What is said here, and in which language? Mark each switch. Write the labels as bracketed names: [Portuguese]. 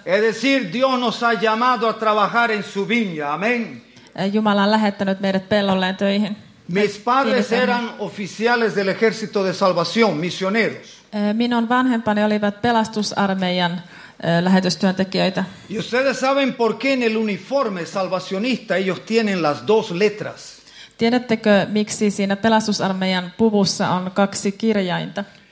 [Spanish] Es decir, Dios nos ha llamado a trabajar en su viña. Amén. [Finnish] Jumala on lähettänyt meidät pellolleen töihin. [Spanish] Mis padres eran oficiales del ejército de salvación, misioneros. [Finnish] Minun vanhempani olivat pelastusarmeijan lähetystyöntekijöitä. [Spanish] Y ustedes saben por qué en el uniforme salvacionista ellos tienen las dos letras. [Finnish] Tiedättekö, miksi siinä pelastusarmeijan puvussa on kaksi kirjainta?